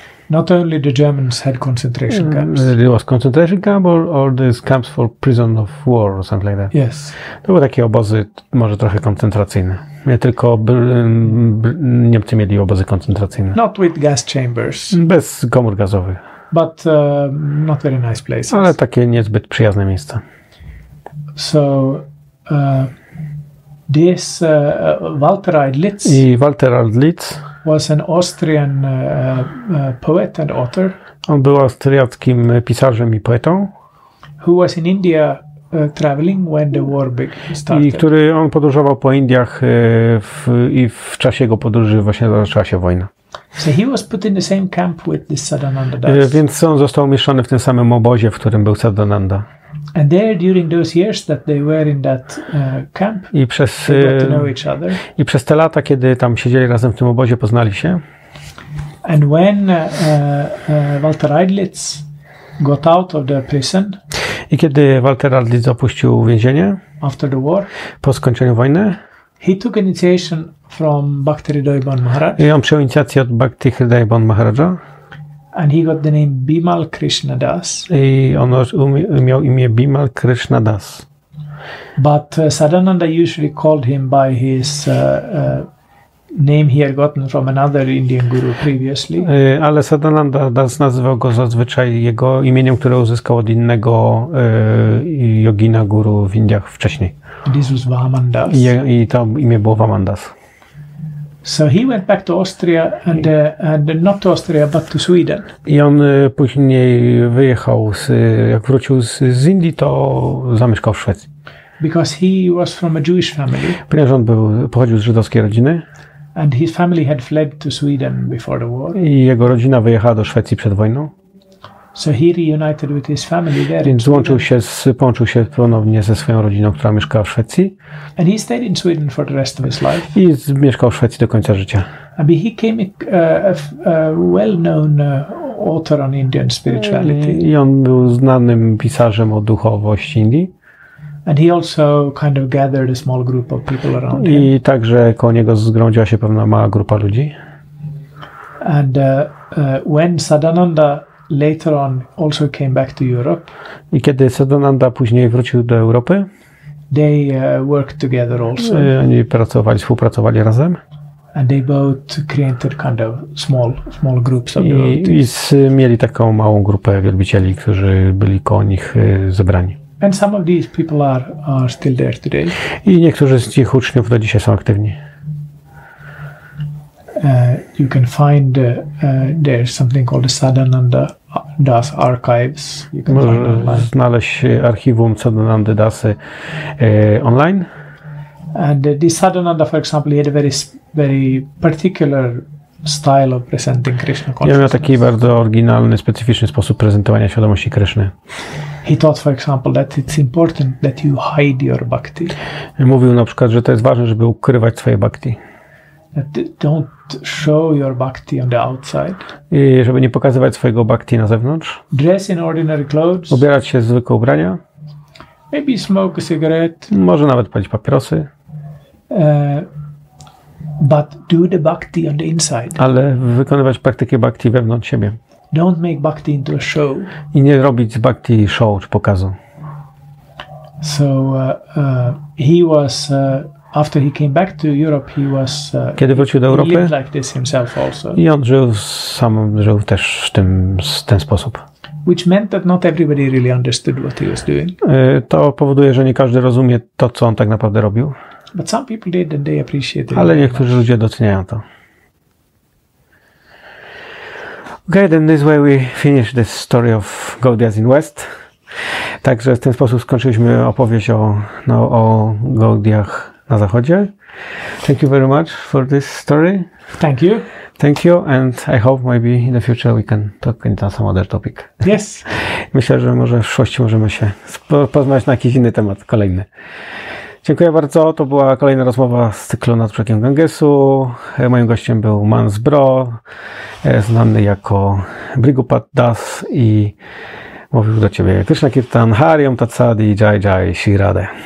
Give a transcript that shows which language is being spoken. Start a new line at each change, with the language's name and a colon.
English: Not only the Germans had concentration camps. It was concentration camp or these camps for prison of war or something like that. Yes.
Polish: To były takie obozy, może trochę koncentracyjne. Nie tylko Niemcy mieli obozy koncentracyjne.
English: Not with gas chambers.
Polish: Bez komór gazowych.
English: But not very nice places.
Polish: Ale takie niezbyt przyjazne miejsca.
English: So this Walter Erlitz.
Polish: I Walter Erlitz
English: was an Austrian poet and author.
Polish: On był austriackim pisarzem i poetą.
English: Who was in India traveling when the war started.
Polish: I który on podróżował po Indiach w czasie jego podróży właśnie zaczęła się wojna.
English: So he was put in the same camp with this Sadananda Das.
Polish: Więc on został umieszczony w tym samym obozie, w którym był Sadananda.
English: And there, during those years that they were in that camp,
Polish: i przez,
English: they got to know each other.
Polish: I przez te lata, kiedy tam siedzieli razem w tym obozie, poznali się.
English: And when Walter Erlitz got out of the prison,
Polish: i kiedy Walter Erlitz opuścił więzienie,
English: after the war,
Polish: po skończeniu wojny,
English: he took initiation from Bhakti Hridayaboma Maharaja.
Polish: I on przyjął inicjację od Bhakti Hridayaboma Maharaja.
English: And he got the name Bimal Krishna Das.
Polish: I on miał imię Bimal Krishna Das.
English: But Sadananda usually called him by his name he had gotten from another Indian guru previously.
Polish: Ale Sadananda Das nazywał go zazwyczaj jego imieniem, które uzyskał od innego jogina guru w Indiach wcześniej.
English: This was Vamandas.
Polish: I to imię było Vamandas.
English: So he went back to Austria and not to Austria, but to Sweden.
Polish: I on później wyjechał, jak wrócił z Indii, to zamieszkał w Szwecji.
English: Because he was from a Jewish family.
Polish: Ponieważ on był, pochodził z żydowskiej rodziny.
English: And his family had fled to Sweden before the war.
Polish: I jego rodzina wyjechała do Szwecji przed wojną.
English: So he reunited with his family there.
Polish: Więc połączył się ponownie ze swoją rodziną, która mieszkała w Szwecji.
English: And he stayed in Sweden for the rest of his life.
Polish: I mieszkał w Szwecji do końca życia.
English: And he became a well-known author on Indian spirituality.
Polish: I on był znanym pisarzem o duchowości Indii.
English: And he also kind of gathered a small group of people around him.
Polish: I także koło niego zgromadziła się pewna mała grupa ludzi.
English: And when Sadananda later on also came back to Europe.
Polish: I kiedy Sadananda później wrócił do Europy,
English: they worked together also.
Polish: Oni pracowali, współpracowali razem.
English: And they both created kind of small groups of devotees.
Polish: I mieli taką małą grupę wielbicieli, którzy byli koło nich zebrani.
English: And some of these people are still there today.
Polish: I niektórzy z tych uczniów do dzisiaj są aktywni.
English: You can find there something called the Sadananda Das Archives.
Polish: Możesz znaleźć archiwum Sadananda Dasy online.
English: And this Sadananda, for example, he had a very particular style of presenting Krishna consciousness.
Polish: Miał taki bardzo oryginalny, specyficzny sposób prezentowania świadomości Kryszny.
English: He taught, for example, that it's important that you hide your bhakti.
Polish: Mówił na przykład, że to jest ważne, żeby ukrywać swoje bhakti.
English: Don't show your bhakti on the outside.
Polish: I żeby nie pokazywać swojego bhakti na zewnątrz.
English: Dress in ordinary clothes.
Polish: Ubierać się w zwykłe ubrania.
English: Maybe smoke a cigarette.
Polish: Może nawet palić papierosy.
English: But do the bhakti on the inside.
Polish: Ale wykonywać praktykę bhakti wewnątrz siebie.
English: Don't make bhakti into a show.
Polish: I nie robić z bhakti show czy pokazu.
English: So he was after he came back to Europe, he was
Polish: kiedy wrócił do Europy,
English: he lived like this himself also.
Polish: I on żył też w ten sposób.
English: Which meant that not everybody really understood what he was doing.
Polish: To powoduje, że nie każdy rozumie to, co on tak naprawdę robił.
English: But some people did and they appreciated.
Polish: Ale niektórzy ludzie doceniają to.
English: Okay, then this way we finish this story of Gaudias in West.
Polish: Także w ten sposób skończyliśmy opowieść o, no, o Gaudiach na zachodzie.
English: Thank you very much for this story. Thank you. Thank you, and I hope maybe in the future we can talk on some other topic. Yes.
Polish: Myślę, że może w przyszłości możemy się poznać na jakiś inny temat, kolejny. Dziękuję bardzo. To była kolejna rozmowa z cyklu Nad Brzegiem Gangesu. Moim gościem był Mans Bro, znany jako Brigupad Das, i mówił do ciebie Krishna Kirtan, Hari Om Tat Sat, Jai Jai Shri Radhe.